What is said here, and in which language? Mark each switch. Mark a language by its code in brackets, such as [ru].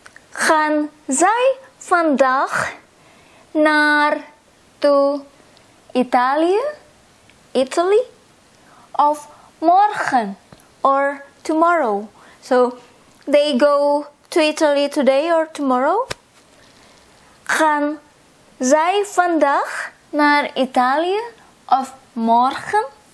[nl] Gaan zij vandaag naar, to, Italië, Italy, of morgen, [en] or tomorrow. So, they go to Italy today or tomorrow. [nl] Gaan zij vandaag naar Italië, of morgen.